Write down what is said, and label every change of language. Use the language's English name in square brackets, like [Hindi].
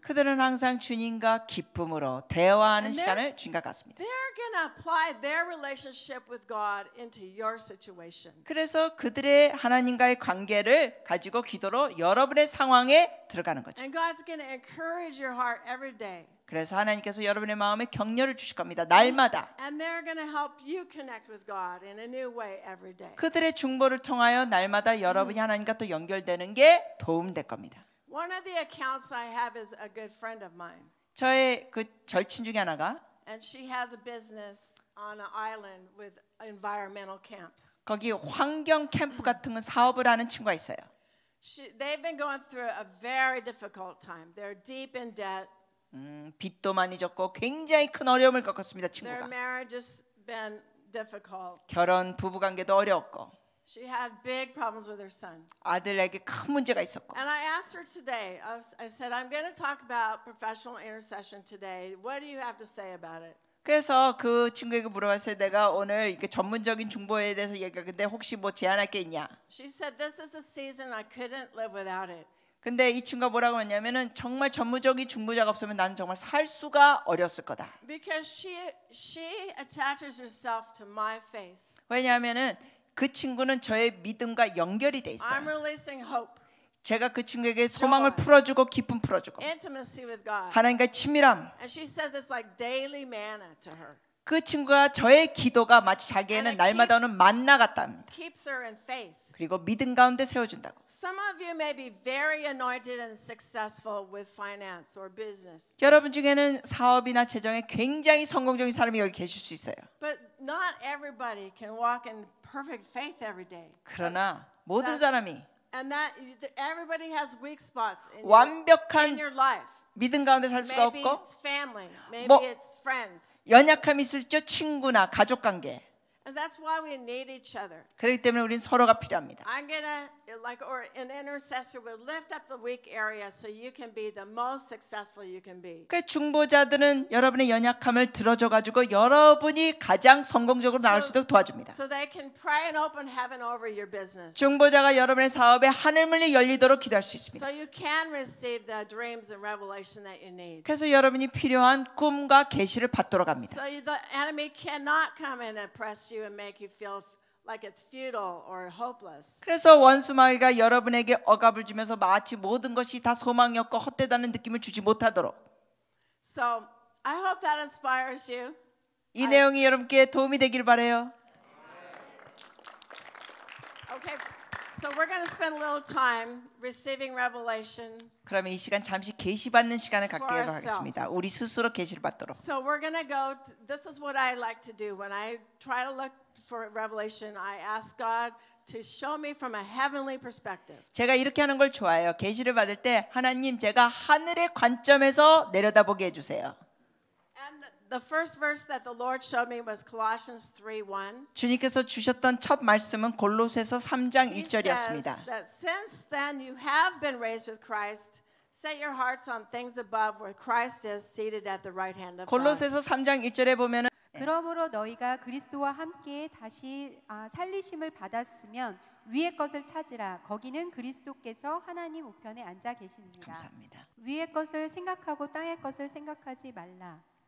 [Korean] 그들은 항상 주님과 기쁨으로 대화하는 시간을 주님과 갖습니다. [English] They're going to apply their relationship with God into your situation. [Korean] 그래서 그들의 하나님과의 관계를 가지고 기도로 여러분의 상황에 들어가는 거죠. [English] And God's going to encourage your heart every day. [Korean] 그래서 하나님께서 여러분의 마음에 격려를 주실 겁니다. 날마다. [English] And they're going to help you connect with God in a new way every day. [Korean] 그들의 중보를 통하여 날마다 여러분이 하나님과 또 연결되는 게 도움될 겁니다. [English] One of the accounts I have is a good friend of mine. [Korean] 저의 그 절친 중에 하나가 [English] And she has a business on an island with environmental camps. [Korean] 거기 환경 캠프 같은 건 사업을 하는 친구가 있어요. [English] They've been going through a very difficult time. They're deep in debt. [Korean] 빚도 많이 졌고 굉장히 큰 어려움을 겪었습니다, 친구가. [English] Their marriage has been difficult. [Korean] 결혼 부부 관계도 어려웠고 [English] She had big problems with her son. [Korean] 아들에게 큰 문제가 있었고. [English] And I asked her today. I said, "I'm going to talk about professional intercession today. What do you have to say about it?" [Korean] 그래서 그 친구에게 물어봤어요. 내가 오늘 이렇게 전문적인 중보에 대해서 얘기할 건데 혹시 뭐 제안할 게 있냐? [English] She said this is a season I couldn't live without it. [Korean] 근데 이 친구가 뭐라고 했냐면은 정말 전문적인 중보자가 없으면 나는 정말 살 수가 어렸을 거다. [English] Because she attaches herself to my faith. [Korean] 왜냐하면은 그 친구는 저의 믿음과 연결이 돼 있어요. [English] I'm releasing hope. [Korean] 제가 그 친구에게 소망을 풀어주고 기쁨 풀어주고 하나님과 친밀함. [English] And she says it's like daily manna to her. [Korean] 그 친구가 저의 기도가 마치 자기에는 날마다 오는 만나 같답니다. [English] Keeps her in faith. [Korean] 그리고 믿음 가운데 세워준다고. [English] Some of you may be very anointed and successful with finance or business. [Korean] 여러분 중에는 사업이나 재정에 굉장히 성공적인 사람이 여기 계실 수 있어요. [English] But not everybody can walk in perfect faith every day. [Korean] 그러나 모든 사람이 [English] And that everybody has weak spots in your, [Korean] 완벽한 [English] in your life. [Korean] 믿음 가운데 살 수가 [English] maybe [Korean] 없고 [English] it's family, maybe 뭐 it's friends. [Korean] 연약함이 있을지 친구나 가족 관계. [English] And that's why we need each other. [Korean] 그렇기 때문에 우리는 서로가 필요합니다. [English] I'm gonna like or an intercessor will lift up the weak area so you can be the most successful you can be. [Korean] 그 중보자들은 여러분의 연약함을 들어줘 가지고 여러분이 가장 성공적으로 나올 수 있도록 도와줍니다. [English] So they can pray and open heaven over your business. [Korean] 중보자가 여러분의 사업에 하늘문이 열리도록 기도할 수 있습니다. [English] So you can receive the dreams and revelation that you need. [Korean] 그래서 여러분이 필요한 꿈과 계시를 받도록 합니다. [English] So the enemy cannot come and oppress you and make you feel like it's futile or hopeless. [Korean] 그래서 원수 마귀가 여러분에게 억압을 주면서 마치 모든 것이 다 소망이 없고 헛되다는 느낌을 주지 못하도록. [English] So I hope that inspires you. [Korean] 이 내용이 여러분께 도움이 되길 바래요. [English] Okay. So we're going to spend a little time receiving revelation. [Korean] 그럼 이 시간 잠시 계시 받는 시간을 갖기로 하겠습니다. 우리 스스로 계시를 받도록. [English] So we're going to go this is what I like to do when I try to look for revelation. I ask God to show me from a heavenly perspective. [Korean] 제가 이렇게 하는 걸 좋아해요. 계시를 받을 때 하나님 제가 하늘의 관점에서 내려다보게 해 주세요. [English] The first verse that the Lord showed me was Colossians 3:1. [Korean] 주님께서 주셨던 첫 말씀은 골로새서 3장 1절이었습니다. [English] He says that since then you have been raised with Christ. Set your hearts on things above where Christ is seated at the right hand of God. [Korean] 골로새서 3장 1절에 보면은 그러므로 너희가 그리스도와 함께 다시 살리심을 받았으면 위의 것을 찾으라. 거기는 그리스도께서 하나님 우편에 앉아 계십니다. 감사합니다. 위의 것을 생각하고 땅의 것을 생각하지 말라.